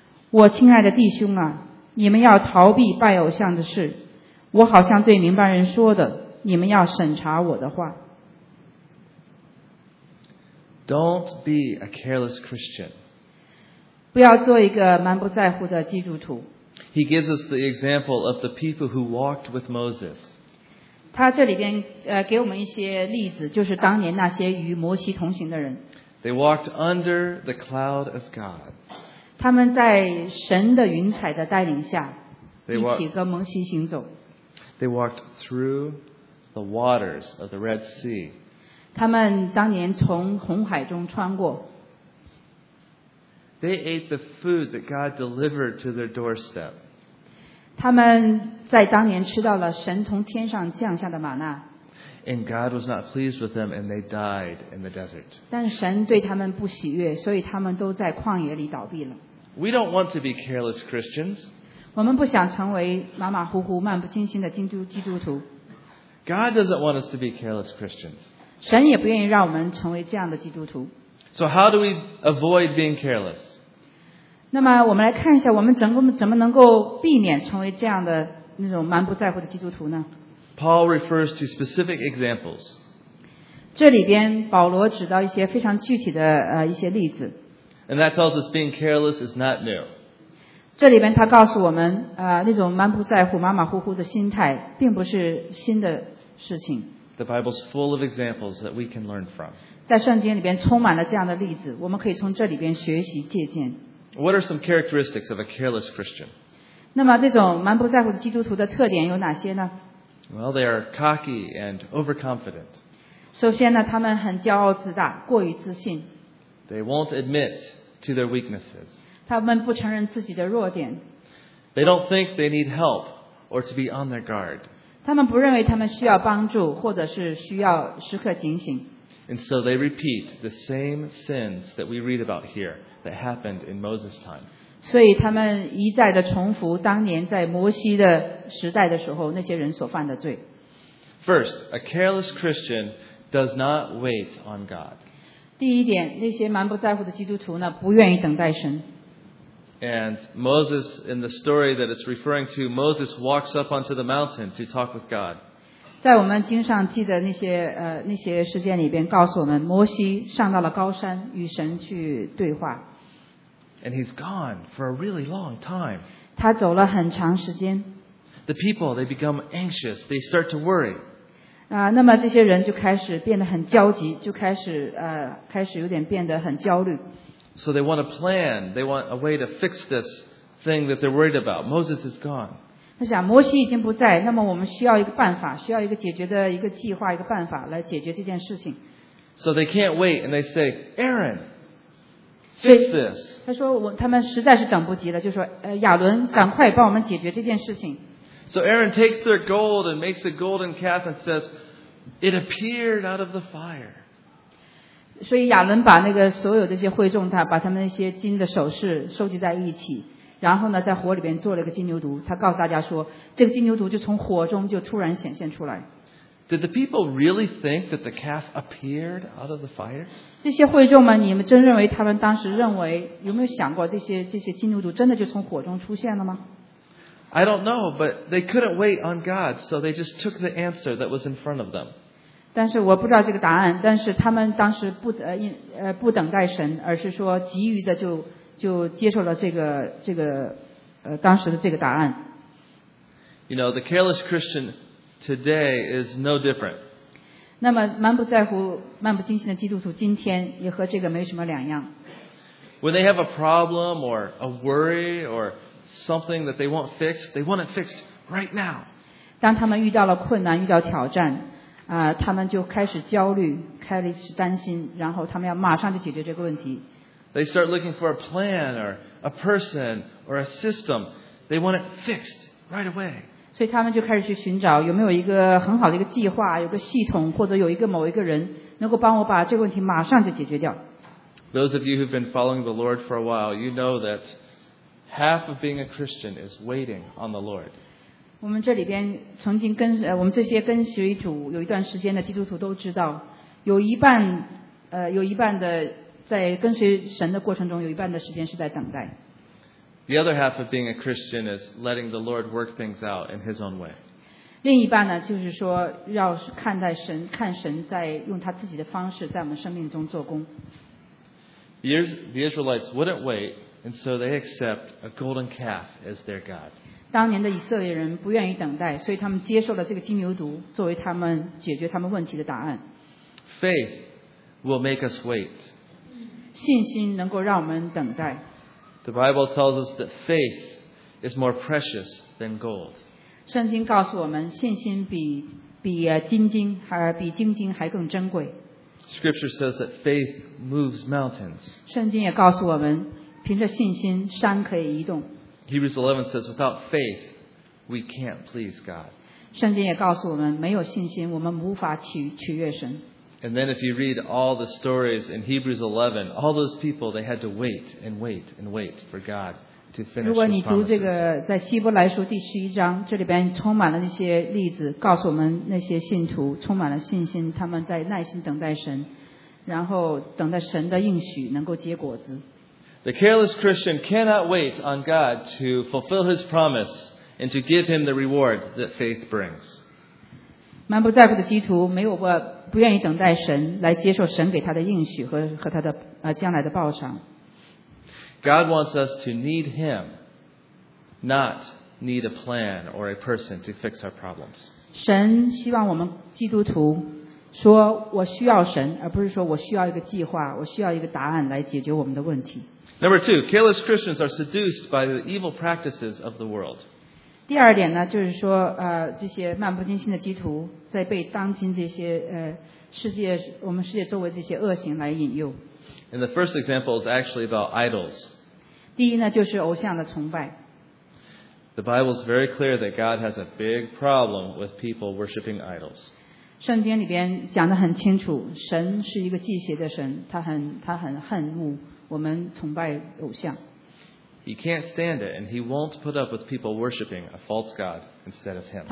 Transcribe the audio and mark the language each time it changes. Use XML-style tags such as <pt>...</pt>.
<zh>我亲爱的弟兄啊，你们要逃避拜偶像的事。我好像对明白人说的，你们要审查我的话。</zh> <en>Don't be a careless Christian.</en> <zh>不要做一个蛮不在乎的基督徒。</zh> <en>He gives us the example of the people who walked with Moses.</en> <zh>他这里边给我们一些例子，就是当年那些与摩西同行的人。</zh> <en>They walked under the cloud of God.</en> <zh>他们在神的云彩的带领下，一起和摩西行走。</zh> <en>They walked through the waters of the Red Sea.</en> <zh>他们当年从红海中穿过。</zh> <en>They ate the food that God delivered to their doorstep.</en> <zh>他们在当年吃到了神从天上降下的玛纳。</zh> <en>And God was not pleased with them, and they died in the desert.</en> <zh>但神对他们不喜悦，所以他们都在旷野里倒闭了。</zh> <en>We don't want to be careless Christians.</en> <zh>我们不想成为马马虎虎、漫不经心的基督徒。</zh> <en>God doesn't want us to be careless Christians.</en> <zh>神也不愿意让我们成为这样的基督徒。</zh> <en>So how do we avoid being careless?</en> <zh>那么我们来看一下，我们怎么能够避免成为这样的那种蛮不在乎的基督徒呢？</zh> <en>Paul refers to specific examples.</en> <zh>这里边保罗指到一些非常具体的一些例子。</zh> <en>And that tells us being careless is not new.</en> <zh>这里边他告诉我们那种蛮不在乎、马马虎虎的心态并不是新的事情。</zh> <en>The Bible is full of examples that we can learn from.</en> <zh>在圣经里边充满了这样的例子，我们可以从这里边学习借鉴。</zh> <en>What are some characteristics of a careless Christian?</en> <zh>那么这种蛮不在乎的基督徒的特点有哪些呢？</zh> <en>Well, they are cocky and overconfident.</en> <zh>首先呢，他们很骄傲自大，过于自信。</zh> <en>They won't admit to their weaknesses.</en> <zh>他们不承认自己的弱点。</zh> <en>They don't think they need help or to be on their guard.</en> <zh>他们不认为他们需要帮助，或者是需要时刻警醒。</zh> <en>And so they repeat the same sins that we read about here that happened in Moses' time.</en> <zh>所以他们一再的重复当年在摩西的时代的时候那些人所犯的罪。</zh> <en>First, a careless Christian does not wait on God.</en> <zh>第一点，那些蛮不在乎的基督徒呢，不愿意等待神。</zh> <en>And Moses, in the story that it's referring to, Moses walks up onto the mountain to talk with God.</en> <zh>在我们经上记的那些事件里边，告诉我们摩西上到了高山与神去对话。</zh> <en>And he's gone for a really long time.</en> <zh>他走了很长时间。</zh> <en>The people, they become anxious. They start to worry.</en> <zh>那么这些人就开始变得很焦急，就开始有点变得很焦虑。</zh> <en>So they want a plan. They want a way to fix this thing that they're worried about. Moses is gone.</en> <zh>他想摩西已经不在，那么我们需要一个办法，需要一个解决的一个计划，一个办法来解决这件事情。</zh> <en>So they can't wait, and they say, "Aaron, fix this."</en> <zh>他说他们实在是等不及了，就说亚伦，赶快帮我们解决这件事情。</zh> <en>So Aaron takes their gold and makes a golden calf and says, "It appeared out of the fire."</en> <zh>所以亚伦把那个所有这些会众他把他们那些金的首饰收集在一起，然后呢在火里边做了一个金牛犊，他告诉大家说这个金牛犊就从火中就突然显现出来。</zh> <en>Did the people really think that the calf appeared out of the fire?</en> <zh>这些会众们，你们真认为他们当时认为，有没有想过这些金牛犊真的就从火中出现了吗？</zh> <en>I don't know, but they couldn't wait on God, so they just took the answer that was in front of them.</en> <zh>但是我不知道这个答案，但是他们当时不等待神，而是说急于的就接受了这个当时的这个答案。</zh> <en>You know, the careless Christian today is no different.</en> <zh>那么蛮不在乎、漫不经心的基督徒今天也和这个没什么两样。</zh> <en>When they have a problem or a worry or something that they want fixed, they want it fixed right now.</en> <zh>当他们遇到了困难、遇到挑战。他们就开始焦虑，开始担心，然后他们要马上就解决这个问题。</zh> <en>They start looking for a plan or a person or a system. They want it fixed right away.</en> <zh>所以他们就开始去寻找有没有一个很好的一个计划，有个系统，或者有一个某一个人能够帮我把这个问题马上就解决掉。</zh> <en>Those of you who've been following the Lord for a while, you know that half of being a Christian is waiting on the Lord.</en> <zh>我们这里边曾经我们这些跟随主有一段时间的基督徒都知道，有一半的在跟随神的过程中，有一半的时间是在等待。</zh> <en>The other half of being a Christian is letting the Lord work things out in His own way.</en> <zh>另一半呢，就是说要看待神，看神在用他自己的方式在我们生命中做工。</zh> <en>The Israelites wouldn't wait, and so they accept a golden calf as their god.</en> <zh>当年的以色列人不愿意等待，所以他们接受了这个金牛犊作为他们解决他们问题的答案。</zh> <en>Faith will make us wait.</en> <zh>信心能够让我们等待。</zh> <en>The Bible tells us that faith is more precious than gold.</en> <zh>圣经告诉我们，信心比金金还更珍贵。</zh> <en>Scripture says that faith moves mountains.</en> <zh>圣经也告诉我们，凭着信心，山可以移动。</zh> <en>Hebrews 11 says, without faith, we can't please God.</en> <zh>圣经也告诉我们，没有信心，我们无法取悦神。</zh> <en>And then if you read all the stories in Hebrews 11, all those people, they had to wait and wait and wait for God to finish his promises.</en> <zh>如果你读这个在希伯来书第十一章，这里边充满了那些例子，告诉我们那些信徒充满了信心，他们在耐心等待神，然后等待神的应许能够结果子。</zh> <en>The careless Christian cannot wait on God to fulfill his promise and to give him the reward that faith brings.</en> <zh>满不在乎的基督徒没有过不愿意等待神来接受神给他的应许 和他的将来的报偿。</zh> <en>God wants us to need Him, not need a plan or a person to fix our problems.</en> <zh>神希望我们基督徒说我需要神，而不是说我需要一个计划，我需要一个答案来解决我们的问题。</zh> <en>Number two, careless Christians are seduced by the evil practices of the world.</en> <zh>第二点呢，就是说这些漫不经心的基督徒在被当今这些世界，我们世界周围这些恶行来引诱。</zh> <en>And the first example is actually about idols.</en> <zh>第一呢，就是偶像的崇拜。</zh> <en>The Bible is very clear that God has a big problem with people worshiping idols.</en> <zh>圣经里边讲得很清楚，神是一个忌邪的神，他很恨恶我们崇拜偶像。</zh> <en>He can't stand it, and he won't put up with people worshiping a false god instead of him.</en>